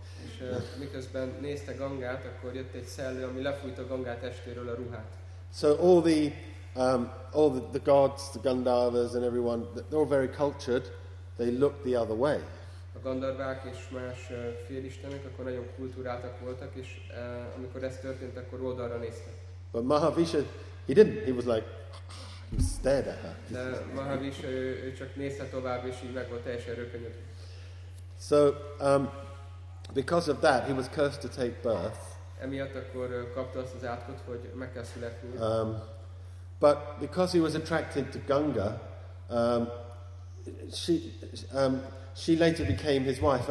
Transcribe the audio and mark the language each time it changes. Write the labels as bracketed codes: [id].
[hu] És miközben nézte Gangát, akkor jött egy szellő, ami lefújta Ganga testéről a ruhát. [en] So all the gods, the Gandharvas and everyone, they're all very cultured. They looked the other way. [hu] A Gandharvák és más félistenek akkor nagyon kultúráltak voltak, és amikor ez történt, akkor oldalra néztek. [en] But Mahavishnu, he didn't. He was like, he stared at her. [hu] De Mahavishnu, ő csak nézte tovább, és így meg volt teljesen rökönyöd. [en] So, because of that, he was cursed to take birth. [hu] Emiatt akkor kapta azt az átkot, hogy meg kell születni. [en] But because he was attracted to Ganga, she later became his wife.